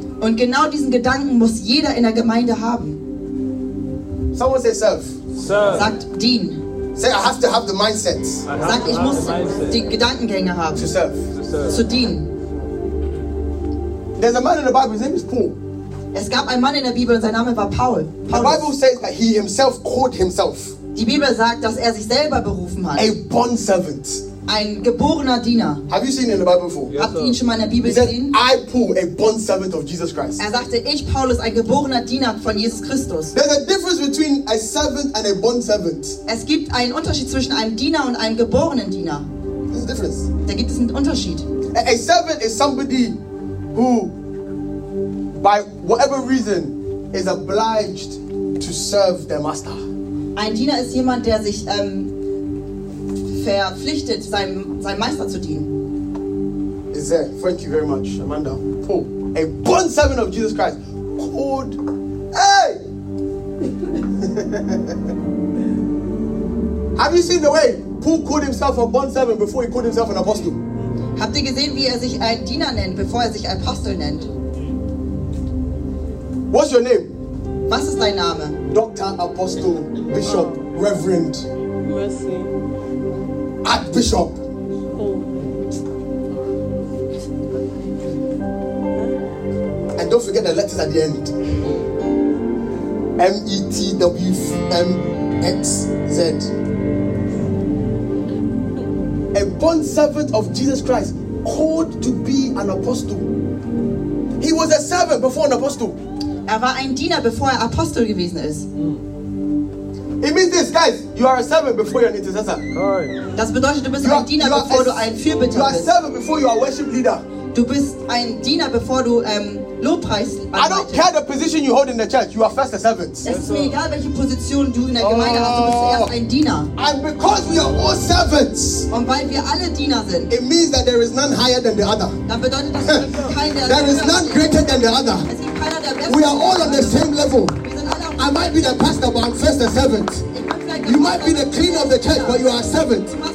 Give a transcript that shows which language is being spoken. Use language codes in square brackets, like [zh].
[de] Und genau diesen Gedanken muss jeder in der Gemeinde haben. [en] Someone say serve. Serve. [de] Sagt dien. [en] Say I have to have the mindset. [de] Sagt ich muss die Gedankengänge haben. [en] To serve. [de] Zu dienen. [en] There's a man in the Bible, his name is Paul. [de] Es gab einen Mann in der Bibel und sein Name war Paul. Paulus. [en] The Bible says that he himself called himself. [de] Die Bibel sagt, dass sich selber berufen hat. [en] A born servant. [de] Ein geborener Diener. [en] Have you seen it in the Bible before? [de] Yes, habt ihr ihn schon mal in der Bibel gesehen? [en] I, Paul, a born servant of Jesus Christ. [de] Er sagte, ich, Paulus, ein geborener Diener von Jesus Christus. [en] There's a difference between a servant and a born servant. [de] Es gibt einen Unterschied zwischen einem Diener und einem geborenen Diener. [en] There's a difference. [de] Da gibt es einen Unterschied. [en] A servant is somebody who, by whatever reason, is obliged to serve their master. [de] Ein Diener ist jemand, der sich verpflichtet, seinem Meister zu dienen. [en] Is there? Thank you very much, Amanda. Paul, a born servant of Jesus Christ, called. Hey! Have you seen the way Paul called himself a born servant before he called himself an apostle? [de] Habt ihr gesehen, wie sich ein Diener nennt, bevor sich Apostel nennt? [en] What's your name? [de] Was ist dein Name? [en] Doctor, Apostle, Bishop, Reverend. Mercy. Archbishop. And don't forget the letters at the end. METWMXZ. A bond servant of Jesus Christ called to be an apostle. He was a servant before an apostle. [de] Er war ein Diener, bevor Apostel gewesen ist. [en] It means this, guys. You are a servant before you're an intercessor. [de] Das bedeutet, du bist ein Diener, bevor du ein Fürbitter bist. [en] You are a servant before you are a worship leader. [de] Du bist ein Diener, bevor du Lobpreis [en] arbeitest. I don't care the position you hold in the church. You are first a servant. [de] Es ist mir egal, welche Position du in der Gemeinde hast. Du bist erst ein Diener. [en] And because we are all servants. [de] Und weil wir alle Diener sind. [en] It means that there is none higher than the other. [de] Dann bedeutet das, dass [en] there is none greater than the other. We are all on the same level. [de] Wir sind alle auf [en] I might be the pastor, but I'm first a servant. You might be the king of the church, but you are a servant.